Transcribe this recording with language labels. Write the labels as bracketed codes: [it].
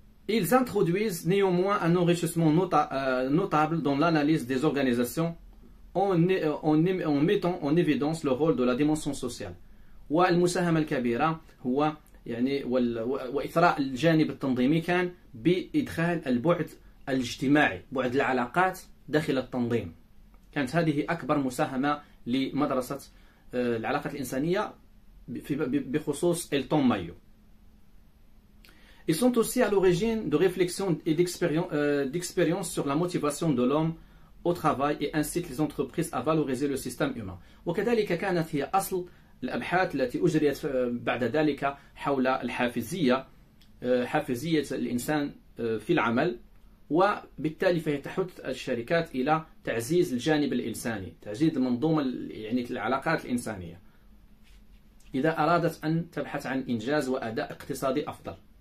[fr] Ils introduisent néanmoins un enrichissement notable dans l'analyse des organisations en mettant en évidence le rôle de la dimension sociale. [ar] والمساهمة الكبيرة هو يعني وإثراء الجانب التنظيمي كان بإدخال البعد الاجتماعي، بعد العلاقات داخل التنظيم. كانت هذه أكبر مساهمة لمدرسة العلاقات الإنسانية بخصوص إلتون مايو. [fr] Ils sont aussi à l'origine de réflexions et d'expériences sur la motivation de l'homme au travail et incitent les entreprises à valoriser le système humain. [ar] وكذلك كانت هي أصل الأبحاث التي أجريت بعد ذلك حول الحافزية، حافزية الإنسان في العمل، وبالتالي فهي تحث الشركات إلى تعزيز الجانب الإنساني، تعزيز المنظومة يعني العلاقات الإنسانية إذا أرادت أن تبحث عن إنجاز وأداء اقتصادي أفضل.